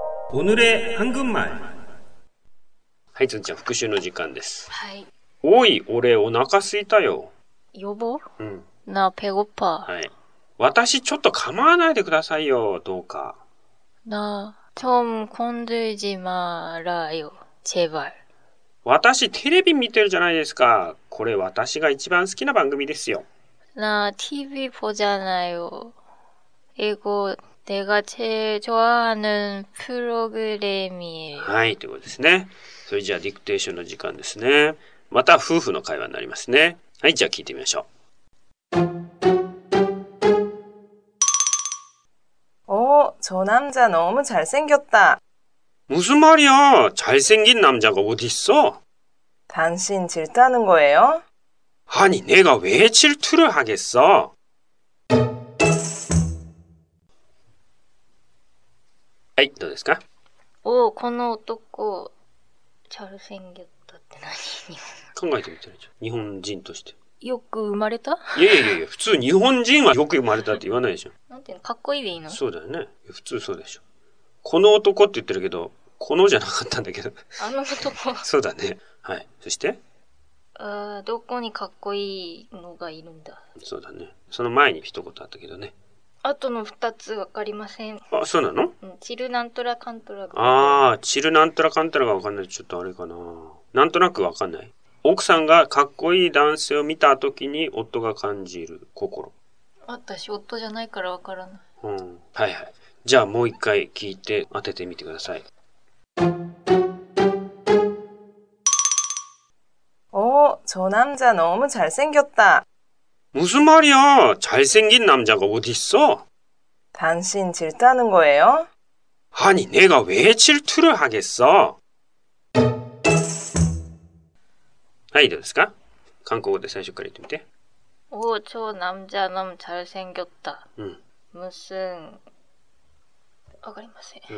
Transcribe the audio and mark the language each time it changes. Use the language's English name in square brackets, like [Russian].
[Japanese] おぬれハングンマイ。はい、つんちゃん、復習の時間です。はい。おい、俺お腹すいたよ。予防？うん。なあ、ペゴッパ。はい。私ちょっと構わないでくださいよ、どうか。 [Korean] なあ、좀 건드지 말아요 제발。 [Japanese] 私テレビ見てるじゃないですか。これ私が一番好きな番組ですよ。 [Korean] 나 TV 보잖아요。 이거내가제일좋아하는프로그램이에요。 [Japanese] はい、ということですね。それじゃあディクテーションの時間ですね。また夫婦の会話になりますね。はい、じゃあ聞いてみましょう。 [Korean] 오저남자너무잘생겼다 무슨말이야잘생긴남자가어디있어 당신질투하는거예요 아니내가왜질투를하겠어에이 [Japanese] どうですか [Korean] 오 [Japanese] この男 [Korean] 잘생겼다 [Japanese] って何に考えてみたらいいじゃん日本人としてよく生まれた？いやいやいや、普通日本人はよく生まれたって言わないでしょ。なんていうの、かっこいいでいいの？そうだよね。普通そうでしょ。この男って言ってるけど、このじゃなかったんだけど。あの男。そうだね。はい。そして？どこにかっこいいのがいるんだ。そうだね。その前に一言あったけどね。あとの二つわかりません。あ、そうなの？うん、チルなんとらかんとらが。ああ、チルなんとらかんとらがわかんないとちょっとあれかな。なんとなくわかんない。奥さんがかっこいい男性を見た時に夫が感じる心。私夫じゃないからわからない。うん、はいはい。じゃあもう一回聞いて当ててみてください。 [Korean] 오저남자너무잘생겼다 무슨말이야잘생긴남자가어디있어 당신질투하는거예요 아니내가왜질투를하겠어 [Japanese] はい、どうですか？韓国語で最初から言ってみて。 [Korean] おお、超남자너무잘생겼다。 [Japanese] うん。 [Korean] 무슨、 [Japanese] わかりません。